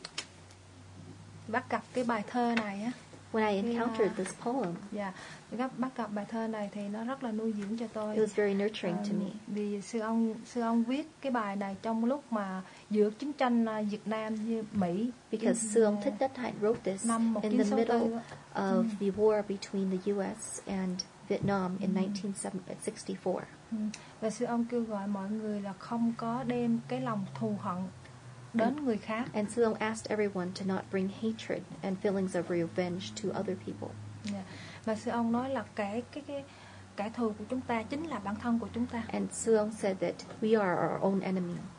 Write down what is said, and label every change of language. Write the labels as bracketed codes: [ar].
[vi] Khi tôi bắt gặp cái bài thơ này á. [en] When I encountered this poem. Yeah. [vi] Bắt gặp bài thơ này thì nó rất là nuôi dưỡng cho tôi. [en] It was very nurturing to me. [vi] Vì sư ông viết cái bài này trong lúc mà giữa chiến tranh Việt Nam với Mỹ. [en] Because sư ông Thích Nhất Hạnh wrote this in the middle of the war between the US and Vietnam in 1964. [vi] Và sư ông kêu gọi mọi người là không có đem cái lòng thù hận đến người khác. [en] And sư ông asked everyone to not bring hatred and feelings of revenge to other people. [vi] Và sư ông nói là kẻ thù của chúng ta chính là bản thân của chúng ta. [en] And sư ông said that we are our own enemy.